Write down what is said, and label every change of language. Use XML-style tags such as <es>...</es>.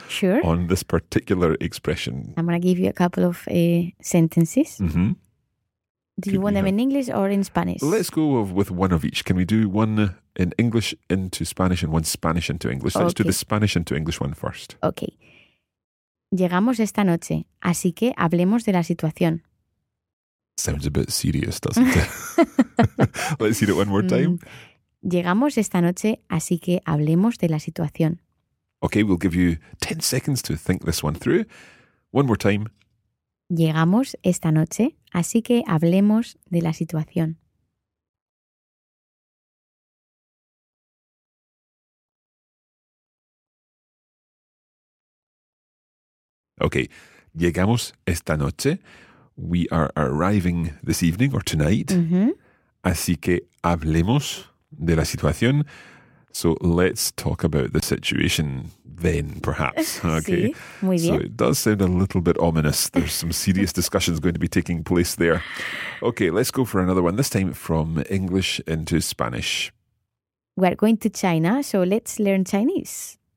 <en>sure. on this particular expression? I'm going to give you a couple of sentences. Mm-hmm. Do you want them in English or in Spanish? Let's go with one of each. Can we do one in English into Spanish and one Spanish into English? Let's do the Spanish into English one first. Okay.</en> <es>Llegamos esta noche, así que hablemos de la situación.</es> <en>Sounds a bit serious, doesn't it? Let's hear it one more time.</en> <es>Llegamos esta noche, así que hablemos de la situación.</es> <en>Okay, we'll give you 10 seconds to think this one through. One more time.</en> <es>Llegamos esta noche, así que hablemos de la situación. Okay, llegamos esta noche.</es> <en>We are arriving this evening or tonight. Mm-hmm.</en> <es>Así que hablemos de la situación.</es> <en>So let's talk about the situation then, perhaps. Okay.</en> <es>Sí, muy bien.</es> <en>So it does sound a little bit ominous. There's some serious discussions going to be taking place there. Okay, let's go for another one, this time from English into Spanish. We're going to China, so let's learn Chinese.</en>